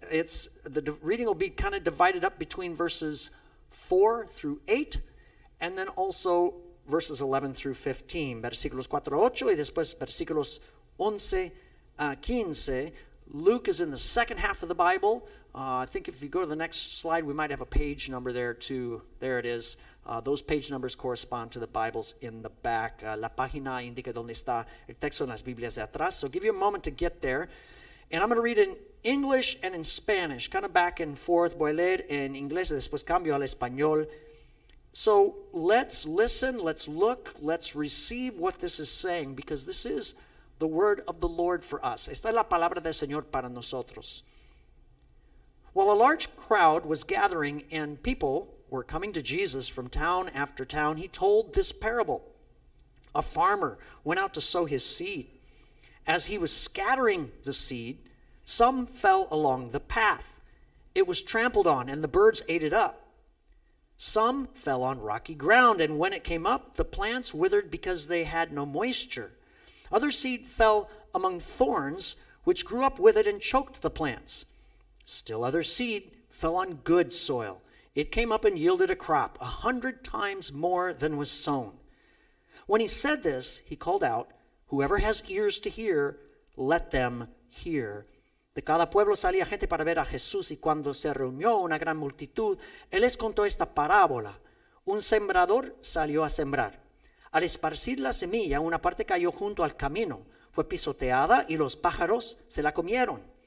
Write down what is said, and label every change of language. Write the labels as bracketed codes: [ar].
[en] The reading will be kind of divided up between verses 4 through 8, and then also verses 11 through 15. [es] Versículos 4, 8, y después versículos 11, 15. [en] Luke is in the second half of the Bible. I think if you go to the next slide, we might have a page number there too. There it is. Those page numbers correspond to the Bibles in the back. [es] La página indica dónde está el texto en las Biblias de atrás. [en] So give you a moment to get there. And I'm going to read in English and in Spanish, kind of back and forth. [es] Voy a leer en inglés y después cambio al español. [en] So let's listen, let's look, let's receive what this is saying, because this is the word of the Lord for us. [es] Esta es la palabra del Señor para nosotros. [en] While a large crowd was gathering and people were coming to Jesus from town after town, he told this parable. A farmer went out to sow his seed. As he was scattering the seed, some fell along the path. It was trampled on, and the birds ate it up. Some fell on rocky ground, and when it came up, the plants withered because they had no moisture. Other seed fell among thorns, which grew up with it and choked the plants. Still other seed fell on good soil. It came up and yielded a crop, 100 times more than was sown. When he said this, he called out, "Whoever has ears to hear, let them hear." [es] De cada pueblo salía gente para ver a Jesús, y cuando se reunió una gran multitud, él les contó esta parábola. Un sembrador salió a sembrar. Al esparcir la semilla, una parte cayó junto al camino, fue pisoteada y los pájaros se la comieron.